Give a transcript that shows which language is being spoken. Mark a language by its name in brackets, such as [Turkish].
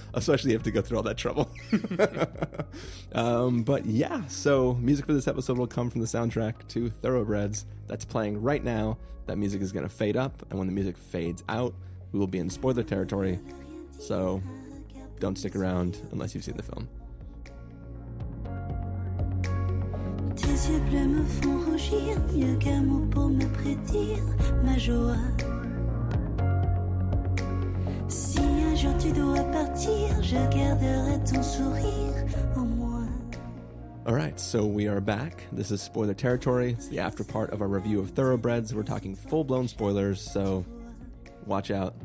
[English] Especially if you have to go through all that trouble. But yeah, so music for this episode will come from the soundtrack to Thoroughbreds. That's playing right now. That music is going to fade up. And when the music fades out, we will be in spoiler territory. So don't stick around unless you've seen the film. [French] Tes yeux bleus me font rougir, mieux qu'un mot pour me prédire ma joie. Si un jour tu dois partir, je garderai ton sourire en moi. [English] All right, so we are back. This is spoiler territory. It's the after part of our review of Thoroughbreds. We're talking full-blown spoilers, so watch out.